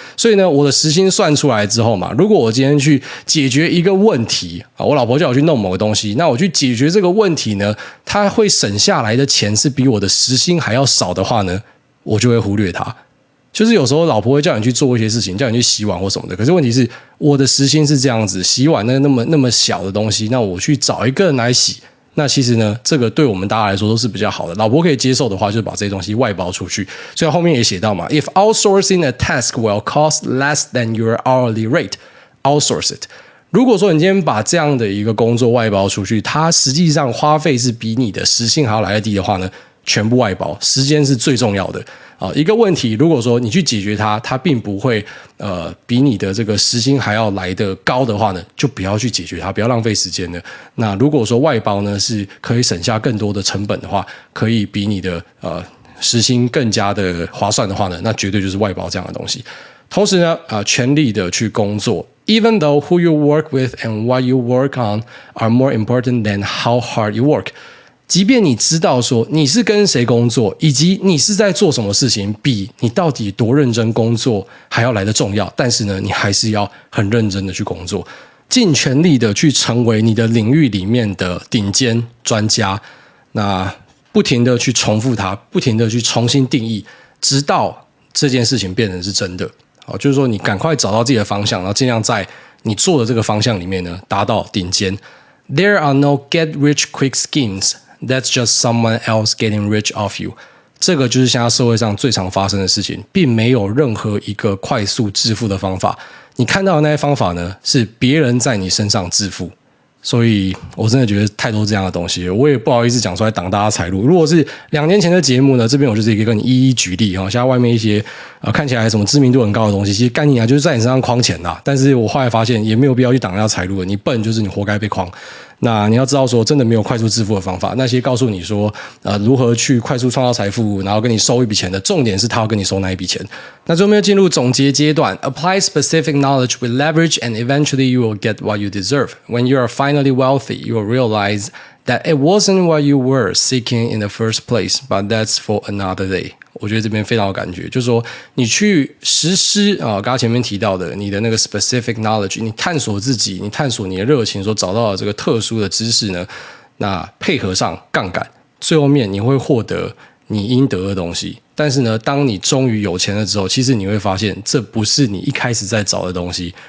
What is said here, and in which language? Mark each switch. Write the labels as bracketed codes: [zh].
[zh] 所以呢我的时薪算出来之后嘛，如果我今天去解决一个问题，我老婆叫我去弄某个东西，那我去解决这个问题呢，它会省下来的钱是比我的时薪还要少的话呢，我就会忽略它。就是有时候老婆会叫你去做一些事情，叫你去洗碗或什么的，可是问题是我的时薪是这样子，洗碗那么小的东西，那我去找一个人来洗，那其实呢这个对我们大家来说都是比较好的，老婆可以接受的话就把这些东西外包出去。所以后面也写到嘛， [en] If outsourcing a task will cost less than your hourly rate, outsource it. [zh] 如果说你今天把这样的一个工作外包出去，它实际上花费是比你的时薪还要来得低的话呢，全部外包，时间是最重要的。一个问题如果说你去解决它，它并不会比你的这个时薪还要来得高的话呢，就不要去解决它，不要浪费时间了。那如果说外包呢是可以省下更多的成本的话，可以比你的时薪更加的划算的话呢，那绝对就是外包这样的东西。同时呢全力的去工作。 [en] Even though who you work with and what you work on are more important than how hard you work. [zh] 即便你知道说你是跟谁工作以及你是在做什么事情比你到底多认真工作还要来得重要，但是呢你还是要很认真的去工作，尽全力的去成为你的领域里面的顶尖专家，那不停的去重复它，不停的去重新定义，直到这件事情变成是真的。好，就是说你赶快找到自己的方向，然后尽量在你做的这个方向里面呢达到顶尖。 [en] There are no get rich quick schemesThat's just someone else getting rich off you. [zh] 这个就是现在社会上最常发生的事情，并没有任何一个快速致富的方法。你看到的那些方法呢，是别人在你身上致富。所以我真的觉得太多这样的东西，我也不好意思讲出来挡大家财路。如果是两年前的节目呢，这边我就是一个跟你一一举例，现在外面一些看起来什么知名度很高的东西，其实干你啊就是在你身上框钱啦。但是我后来发现也没有必要去挡大家财路了，你笨就是你活该被框。那你要知道说真的没有快速致富的方法，那些告诉你说如何去快速创造财富然后跟你收一笔钱的，重点是他要跟你收那一笔钱。那最后面进入总结阶段， [en] Apply specific knowledge with leverage and eventually you will get what you deserve. When you are finally wealthy, you will realize that it wasn't what you were seeking in the first place, but that's for another day. [zh] 我觉得这边非常有感觉，就是说你去实施啊，刚刚前面提到的你的那个 specific knowledge， 你探索自己，你探索你的热情所找到的这个特殊的知识呢，那配合上杠杆，最后面你会获得你应得的东西。但是呢，当你终于有钱了之后，其实你会发现这不是你一开始在找的东西。